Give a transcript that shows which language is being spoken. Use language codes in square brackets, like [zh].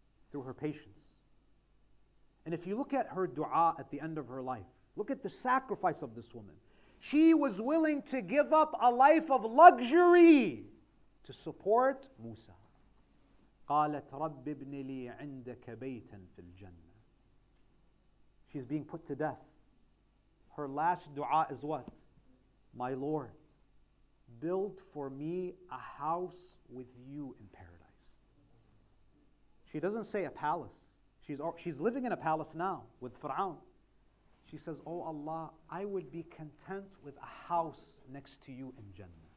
[en] Through her patience. And if you look at her dua at the end of her life, look at the sacrifice of this woman. She was willing to give up a life of luxury to support Musa. [ar] قَالَتْ رَبِّ ابْنِ لِي عِنْدَكَ بَيْتًا فِي الْجَنَّةِ [en] She's being put to death. Her last dua is what? My Lord, build for me a house with you in paradise. She doesn't say a palace. She's living in a palace now with Fir'aun. She says, Oh Allah, I would be content with a house next to you in Jannah.